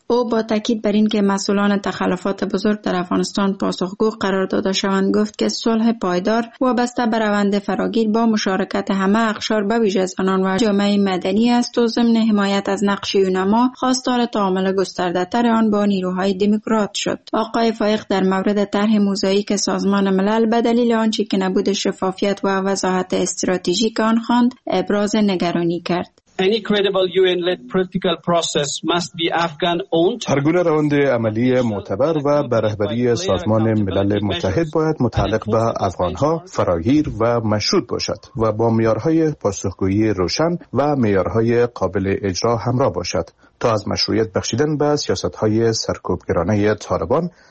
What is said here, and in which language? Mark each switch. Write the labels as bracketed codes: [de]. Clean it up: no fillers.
[fa] او با تاکید بر این که مسئولان تخلفات بزرگ در افغانستان پاسخگو قرار داده شوند، گفت که صلح پایدار وابسته به روند فراگیر با مشارکت همه اقشار به ویژه زنان و جامعه مدنی است و ضمن حمایت از نقش یونما خواستار تعامل گسترده‌تر آن با نیروهای دموکرات شد. آقای فایق در مورد طرح موزاییک سازمان ملل به دلیل آنچه که نبود شفافیت و وضاحت استراتژیک آن خواند ابراز نگرانی کرد. [en] Any credible UN-led political process must be Afghan-owned. [fa] هر گونه روند عملی معتبر و به رهبری سازمان ملل متحد باید متعلق به افغان‌ها، فراگیر و مشروط باشد و با معیارهای پاسخگویی روشن و معیارهای قابل اجرا همراه باشد تا از مشروعیت بخشیدن به سیاست‌های سرکوبگرانه طالبان